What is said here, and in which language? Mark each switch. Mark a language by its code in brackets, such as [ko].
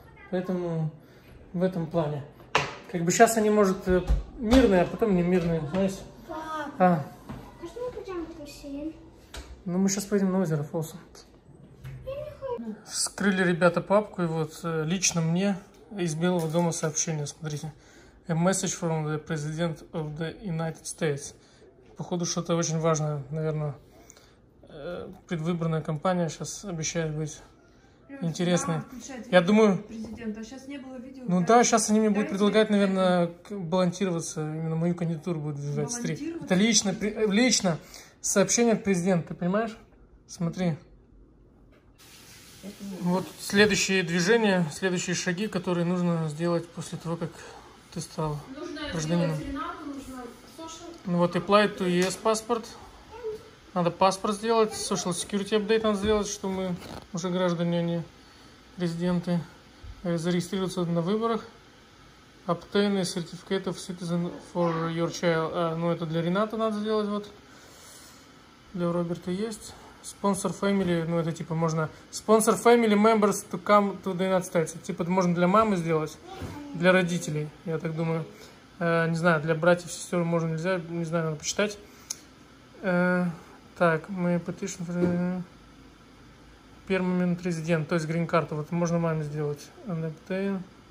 [ru] Поэтому в этом плане. Как бы сейчас они, может, мирные, а потом не мирные, знаете? Папа! А что мы пойдем в бассейн? Ну, мы сейчас поедем на озеро Фолсом. Вскрыли, ребята, папку, и вот лично мне из Белого дома сообщение, смотрите. [en] A message from the President of the United States. [ru] Походу, что-то очень важное, наверное. Предвыборная кампания сейчас обещает быть интересной. Я думаю... Президента. Сейчас не было видео, ну да, сейчас они мне будут предлагать, наверное, балонтироваться. Именно мою кандидатуру будут выдвигать. Это лично, лично. Сообщение от президента, ты понимаешь? Смотри. Вот следующие движения, следующие шаги, которые нужно сделать после того, как ты стал гражданином. Нужно вот [en] apply to ES [ru] паспорт. Надо паспорт сделать. [en] Social Security Update [ru] надо сделать, что мы уже граждане, а не резиденты. Зарегистрироваться на выборах. [en] Obtain a certificate of citizen for your child. [ru] Ну, это для Рената надо сделать, вот. Для Роберта есть. [en] Sponsor family, [ru] ну это типа можно... [en] Sponsor family members to come to the United States. [ru] Типа это можно для мамы сделать, для родителей, я так думаю. Не знаю, для братьев, сестер можно, нельзя, не знаю, надо почитать. Так, мы [en] petition for... Permanent resident, [ru] то есть green card, вот можно маме сделать. [en] And obtain...